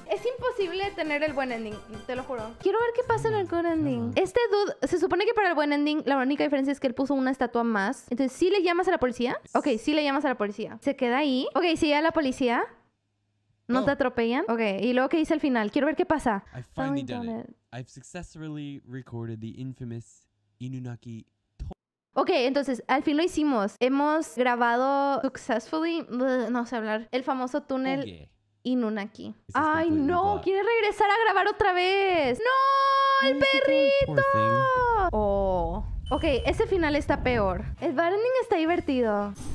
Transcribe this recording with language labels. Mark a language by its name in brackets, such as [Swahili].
[Spanish] Es imposible tener el buen ending, te lo juro. Quiero ver qué pasa en el good ending. Este dude, se supone que para el buen ending la única diferencia es que él puso una estatua más. Entonces, ¿sí le llamas a la policía? Ok, sí le llamas a la policía. Se queda ahí. Ok, ¿sí llega la policía? ¿No te atropellan? Ok, ¿y luego qué dice al final? Quiero ver qué pasa. [English] I've finally done it. I've successfully recorded the infamous Inunaki. [Spanish] Ok, entonces, al fin lo hicimos. Hemos grabado successfully, no sé hablar, el famoso túnel Inunaki. ¡Ay, no! ¡Quiere regresar a grabar otra vez! ¡No! ¡El perrito! ¡Oh! Ok, ese final está peor. El bad ending está divertido.